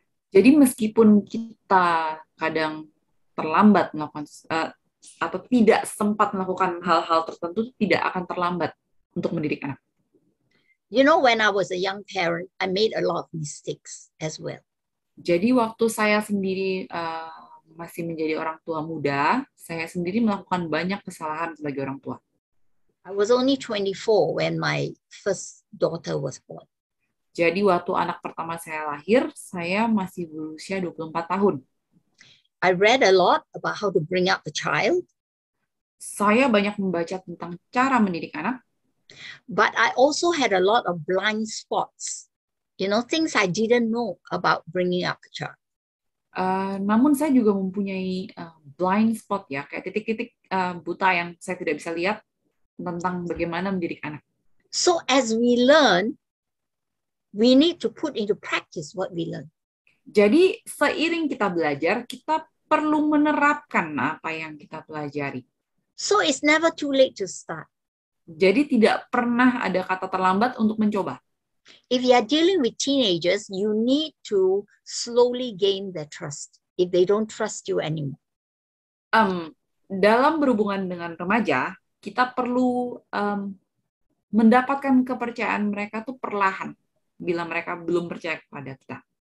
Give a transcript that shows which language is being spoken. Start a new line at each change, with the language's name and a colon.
Indonesian: Jadi meskipun kita kadang terlambat melakukan atau tidak sempat melakukan hal-hal tertentu, tidak akan terlambat untuk mendidik anak.
English: You know, when I was a young parent, I made a lot of mistakes as well.
Indonesian: Jadi waktu saya sendiri masih menjadi orang tua muda, saya sendiri melakukan banyak kesalahan sebagai orang tua.
English: I was only 24 when my first daughter was born.
Indonesian: Jadi waktu anak pertama saya lahir, saya masih berusia 24 tahun.
English: I read a lot about how to bring up a child.
Indonesian: Saya banyak membaca tentang cara mendidik anak.
English: But I also had a lot of blind spots. You know, things I didn't know about bringing up a child.
Indonesian: Namun saya juga mempunyai blind spot ya, kayak titik-titik buta yang saya tidak bisa lihat tentang bagaimana mendidik anak.
English: So as we learn, we need to put into practice what we learn.
Indonesian: Jadi seiring kita belajar, kita perlu menerapkan apa yang kita pelajari.
English: So it's never too late to start.
Indonesian: Jadi tidak pernah ada kata terlambat untuk mencoba.
English: If you are dealing with teenagers, you need to slowly gain their trust if they don't trust you anymore.
Indonesian: Dalam berhubungan dengan remaja, kita perlu mendapatkan kepercayaan mereka tuh perlahan bila mereka belum percaya kepada kita.